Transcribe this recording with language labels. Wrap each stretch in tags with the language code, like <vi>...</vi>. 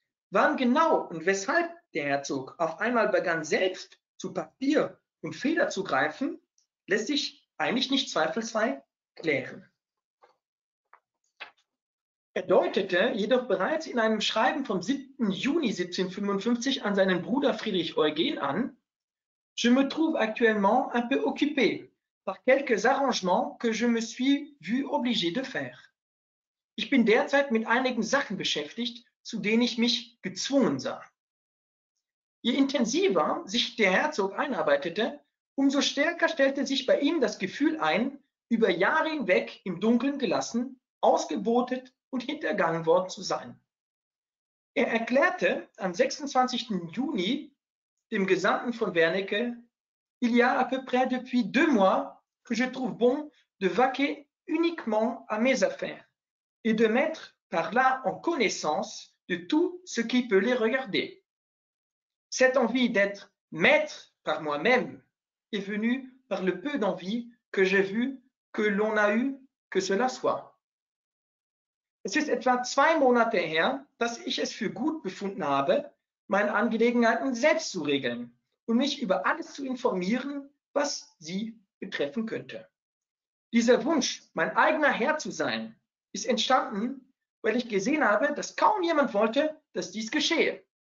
<de>Wann genau und weshalb der Herzog auf einmal begann, selbst zu Papier und Feder zu greifen, lässt sich eigentlich nicht zweifelsfrei klären. Er deutete jedoch bereits in einem Schreiben vom 7. Juni 1755 an seinen Bruder Friedrich Eugen an:</de> <fr>Je me trouve actuellement un peu occupé par quelques arrangements que je me suis vu obligé de faire.</fr> <de>Ich bin derzeit mit einigen Sachen beschäftigt, zu denen ich mich gezwungen sah. Je intensiver sich der Herzog einarbeitete, umso stärker stellte sich bei ihm das Gefühl ein, über Jahre hinweg im Dunkeln gelassen, ausgebotet und hintergangen worden zu sein. Er erklärte am 26. Juni dem Gesandten von Wernicke:</de> <fr>Il y a à peu près depuis deux mois que je trouve bon de vaquer uniquement à mes affaires et de mettre par là en connaissance de tout ce qui peut les regarder. Cette envie d'être maître par moi-même est venue par le peu d'envie que j'ai vu que l'on a eu que cela soit.</fr> <de>Es ist etwa zwei Monate her, dass ich es für gut befunden habe, meine Angelegenheiten selbst zu regeln und mich über alles zu informieren, was sie betreffen könnte. Dieser Wunsch, mein eigener Herr zu sein, ist entstanden, weil ich gesehen habe, dass kaum jemand wollte, dass dies geschehe.</de>